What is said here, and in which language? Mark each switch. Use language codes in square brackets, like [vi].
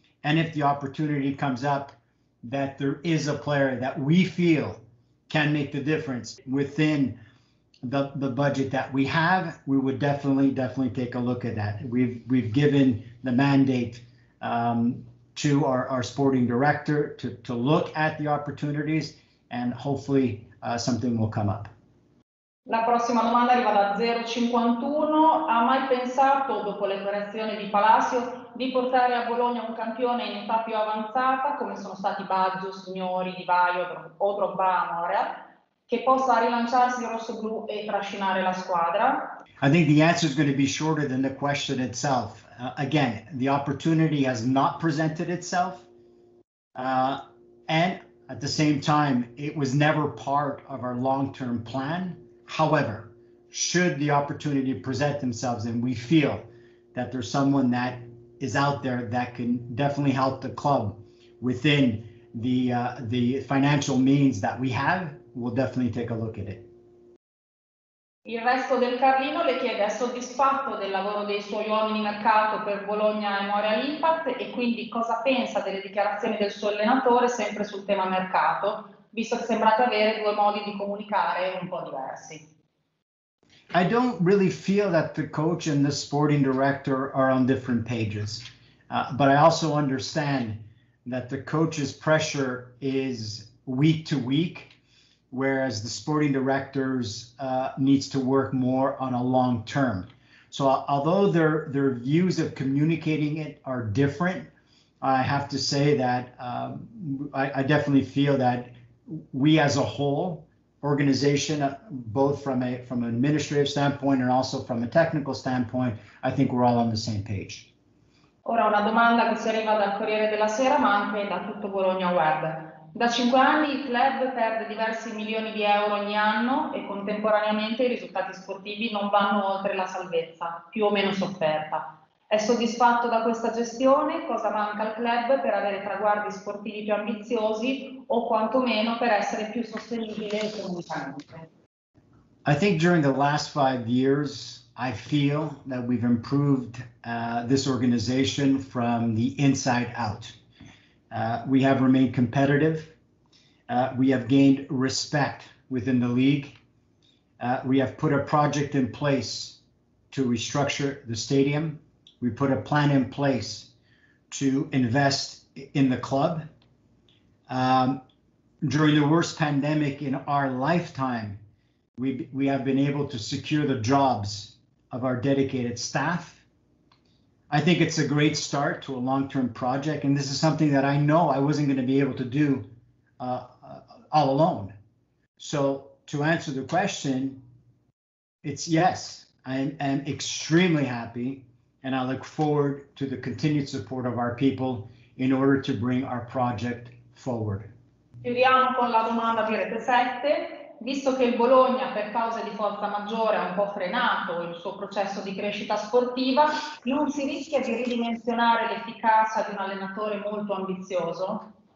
[en] And if the opportunity comes up that there is a player that we feel can make the difference within the budget that we have, we would definitely take a look at that. We've given the mandate to our sporting director to look at the opportunities, and hopefully something will come up. [it] La prossima domanda arriva da 051. Ha mai pensato, dopo le operazioni di Palacio, di portare a Bologna un campione in età più avanzata, come sono stati Baggio, Signori, Di Baio o Drogba, Amorea, che possa rilanciarsi il rosso-blu e trascinare la squadra? [en] I think the answer is going to be shorter than the question itself. Again, the opportunity has not presented itself. And at the same time, it was never part of our long-term plan. However, should the opportunity present themselves and we feel that there's someone that is out there that can definitely help the club within the financial means that we have, we'll definitely take a look at it. [it] Il resto del Carlino le chiede: è soddisfatto del lavoro dei suoi uomini in mercato per Bologna e Montreal Impact, e quindi cosa pensa delle dichiarazioni del suo allenatore sempre sul tema mercato, visto che sembrate avere due modi di comunicare un po' diversi? [en] I don't really feel that the coach and the sporting director are on different pages, but I also understand that the coach's pressure is week to week, whereas the sporting directors needs to work more on a long term. So although their views of communicating it are different, I have to say that I definitely feel that we as a whole organization, both from an administrative standpoint and also from a technical standpoint, I think we're all on the same page. [it] Ora una domanda che si arriva dal Corriere della Sera, ma anche da tutto Bologna Web. Da 5 anni il club perde diversi milioni di euro ogni anno e contemporaneamente i risultati sportivi non vanno oltre la salvezza, più o meno sofferta. È soddisfatto da questa gestione? Cosa manca al club per avere traguardi sportivi più ambiziosi o quantomeno per essere più sostenibile economicamente? [en] I think during the last 5 years, I feel that we've improved this organization from the inside out. We have remained competitive. We have gained respect within the league. We have put a project in place to restructure the stadium. We put a plan in place to invest in the club. During the worst pandemic in our lifetime, we have been able to secure the jobs of our dedicated staff. I think it's a great start to a long-term project, and this is something that I know I wasn't going to be able to do all alone. So to answer the question, it's yes, I am extremely happy, and I look forward to the continued support of our people in order to bring our project forward. [it] Chiudiamo con la domanda di Rete 7. Visto che il Bologna, per causa di forza maggiore, ha un po' frenato il suo processo di crescita sportiva, non si rischia di ridimensionare l'efficacia di un allenatore molto ambizioso?